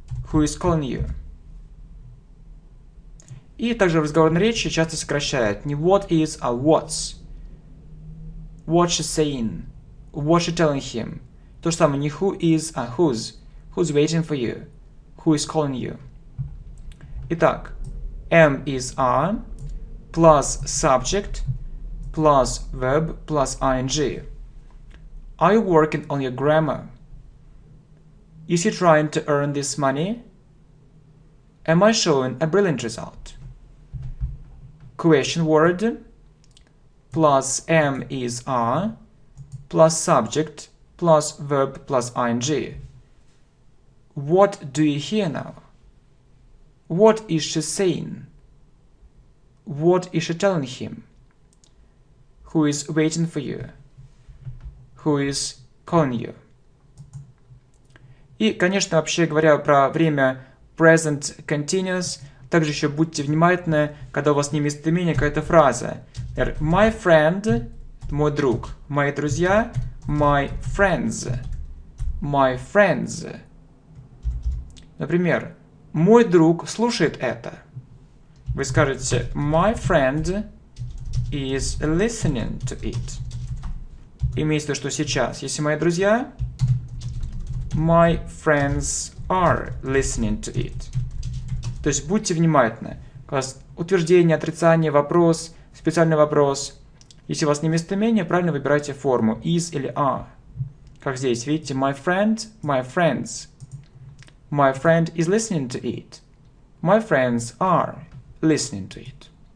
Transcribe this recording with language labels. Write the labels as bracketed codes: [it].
[en] Who is calling you? [ru] И также в разговорной речи часто сокращают не what is, а what's. [en] What she's saying. What she's telling him. [ru] То же самое, не who is, а who's. [en] Who's waiting for you? Who is calling you? [ru] Итак, [en] am is are plus subject plus verb plus ing. Are you working on your grammar? Is he trying to earn this money? Am I showing a brilliant result? Question word plus am is are plus subject plus verb plus ing. What do you hear now? What is she saying? What is she telling him? Who is waiting for you? Who is calling you? [ru] И, конечно, вообще говоря про время present continuous, также еще будьте внимательны, когда у вас не местоимение, какая-то фраза. Например, [en] my friend, [ru] мой друг, мои друзья, [en] my friends, my friends. [ru] Например, мой друг слушает это. Вы скажете, [en] my friend is listening to it. [ru] Имеется в виду, что сейчас, если мои друзья, [en] my friends are listening to it. [ru] То есть будьте внимательны. Утверждение, отрицание, вопрос, специальный вопрос. Если у вас не местоимение, правильно выбирайте форму is или are. Как здесь, видите, [en] my friend, my friends. My friend is listening to it. My friends are listening to it.